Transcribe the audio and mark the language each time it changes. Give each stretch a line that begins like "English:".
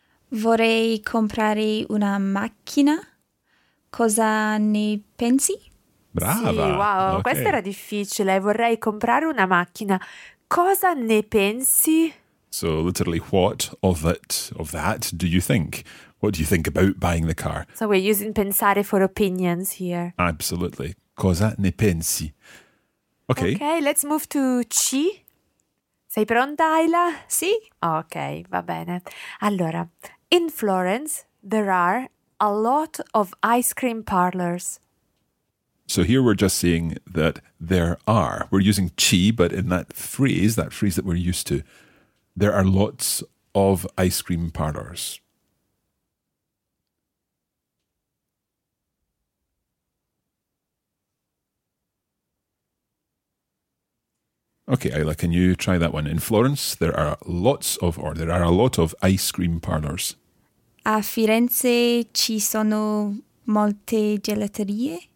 Italian: Vorrei comprare una macchina. Cosa ne pensi? Brava! Sì, wow, okay. Questa era difficile. Vorrei comprare una macchina. Cosa ne pensi?
English: So, literally, what of it, of that, do you think? What do you think about buying the car? So, we're using pensare for opinions here. Absolutely.
Italian: Cosa ne pensi? Okay.
English: Okay, let's move to ci.
Italian: Sei pronta,
English: Ayla?
Italian: Sì. Ok, va bene.
English: Allora, in Florence, there are a lot of ice cream parlors. So here we're just saying that there are. We're using ci, but in that phrase that we're used to, there are lots of ice cream parlors. Okay, Ayla, can you try that one? In Florence, there are a lot of ice cream parlors.
Italian: A Firenze ci sono molte gelaterie.